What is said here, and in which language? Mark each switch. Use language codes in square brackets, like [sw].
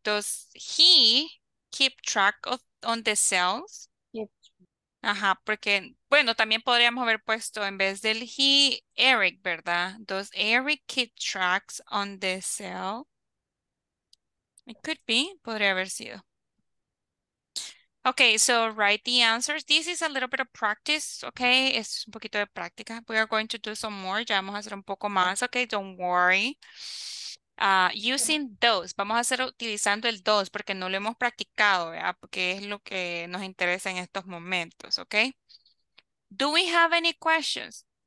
[en] Does he keep track of on the sales? Yes. [es] Ajá, porque, bueno, también podríamos haber puesto en vez del he, Eric, ¿verdad? [en] Does Eric keep tracks on the sale? It could be, [es] podría haber sido. [en] Okay, so write the answers. This is a little bit of practice, okay? [es] Es un poquito de práctica. [en] We are going to do some more. [es] Ya vamos a hacer un poco más, okay? [en] Don't worry. Using those, [es] vamos a hacer utilizando el those porque no lo hemos practicado, ¿verdad? Porque es lo que nos interesa en estos momentos, ¿ok? [en] Do we have any questions?